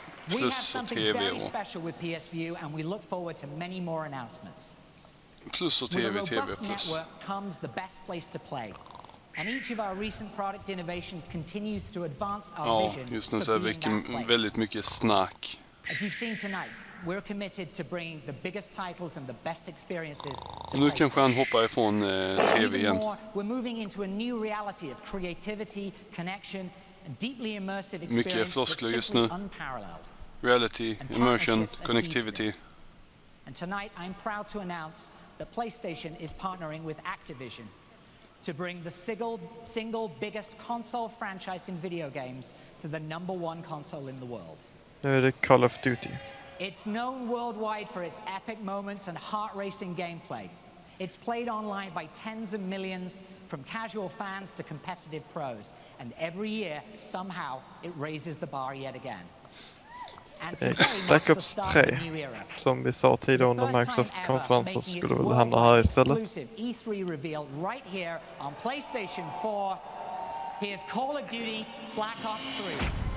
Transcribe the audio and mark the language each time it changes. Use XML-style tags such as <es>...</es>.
<en>We have something TV very special with PS View and we look forward to many more announcements. Plus och TV, with a robust TV network plus. Comes the best place to play. And each of our recent product innovations continues to advance our vision.</en> <sv>Just nu så är det väldigt mycket snack.</sv> <en>As you've seen tonight, we're committed to bring the biggest titles and the best experiences to play.</en> <sv>Nu kanske han hoppar ifrån TV igen.</sv> <en>We're moving into a new reality of creativity, connection, and deeply immersive experiences.</en> <sv>Mycket floskler just nu.</sv> <en>Reality, immersion, connectivity. And tonight I'm proud to announce that PlayStation is partnering with Activision to bring the single biggest console franchise in video games to the number one console in the world.</en> <sv>Nu är det Call of Duty.</sv> <en>It's known worldwide for its epic moments and heart-racing gameplay. It's played online by tens of millions, from casual fans to competitive pros. And every year, somehow, it raises the bar yet again. And today,</en> <sv>Black Ops 3, som vi sa tidigare under Microsoft-konferensen, skulle väl hamna här istället.</sv> <en>E3 reveal right here on PlayStation 4. Here's Call of Duty Black Ops 3.</en>